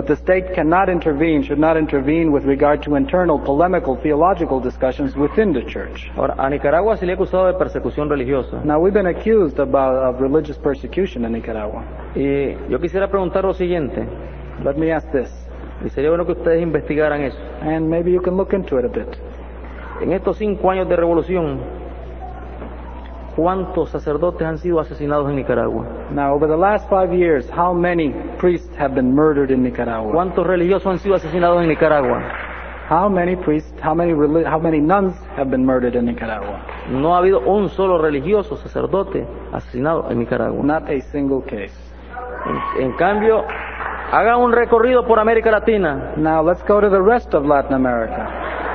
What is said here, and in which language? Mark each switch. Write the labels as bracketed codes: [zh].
[en] But the state cannot intervene, should not intervene with regard to internal polemical theological discussions within the church. [es] Ahora, a Nicaragua se le ha acusado de persecución religiosa. [en] Now we've been accused of religious persecution in Nicaragua. [es] Y yo quisiera preguntar lo siguiente. [en] Let me ask this. [es] Y sería bueno que ustedes investigaran eso. [en] And maybe you can look into it a bit. [es] En estos cinco años de revolución, ¿cuántos sacerdotes han sido asesinados en Nicaragua? [en] Now, over the last five years, how many priests have been murdered in Nicaragua? [es] ¿Cuántos religiosos han sido asesinados en Nicaragua? [en] How many priests, how many nuns have been murdered in Nicaragua? [es] No ha habido un solo religioso sacerdote asesinado en Nicaragua. [en] Not a single case. [es] En cambio, haga un recorrido por América Latina. [en] Now, let's go to the rest of Latin America.